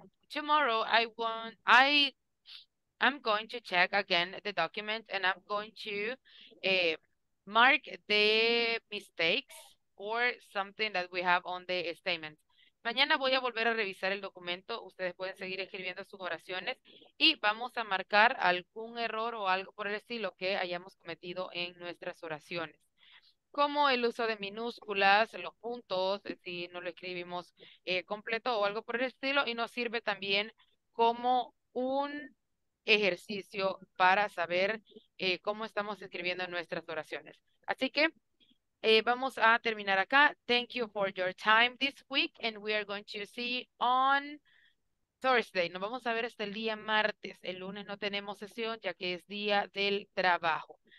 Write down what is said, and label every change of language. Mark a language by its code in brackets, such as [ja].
[en] Tomorrow I'm going to check again the document and I'm going to mark the mistakes or something that we have on the statement. [es] Mañana voy a volver a revisar el documento. Ustedes pueden seguir escribiendo sus oraciones y vamos a marcar algún error o algo por el estilo que hayamos cometido en nuestras oraciones. Como el uso de minúsculas, los puntos, si no lo escribimos completo o algo por el estilo, y nos sirve también como un ejercicio para saber cómo estamos escribiendo nuestras oraciones. Así que vamos a terminar acá. [en] Thank you for your time this week and we are going to see on Thursday. [es] Nos vamos a ver hasta el día martes. El lunes no tenemos sesión ya que es día del trabajo.